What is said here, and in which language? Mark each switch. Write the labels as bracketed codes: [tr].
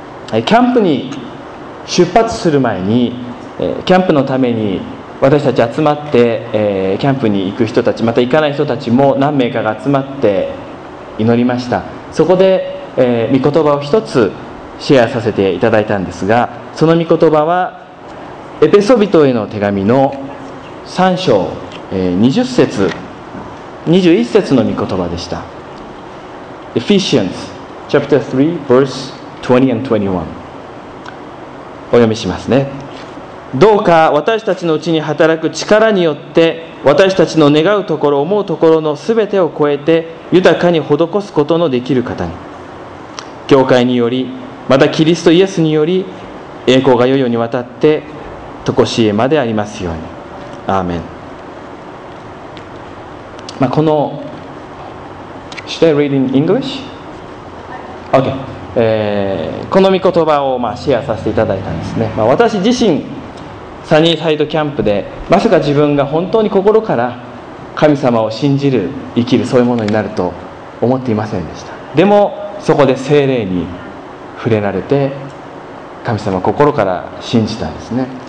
[ja] キャンプに出発する前に、キャンプのために私たち集まって、キャンプに行く人たち、また行かない人たちも何名かが集まって祈りました。そこで、御言葉を一つシェアさせていただいたんですが、その御言葉はエペソ人への手紙の3章、20節21節の御言葉でした。 [en] Ephesians chapter 3 verse 20 and 21、 [ja] お読みしますね。どうか私たちのうちに働く力によって、私たちの願うところ思うところのすべてを超えて豊かに施すことのできる方に、教会により、またキリストイエスにより、栄光が世々にわたって常しえまでありますように。アーメン。 [en] この Should I read in English? OK。 [ja] この御言葉をシェアさせていただいたんですね。私自身サニーサイドキャンプで、まさか自分が本当に心から神様を信じる、生きる、そういうものになると思っていませんでした。でもそこで聖霊に触れられて、神様を心から信じたんですね。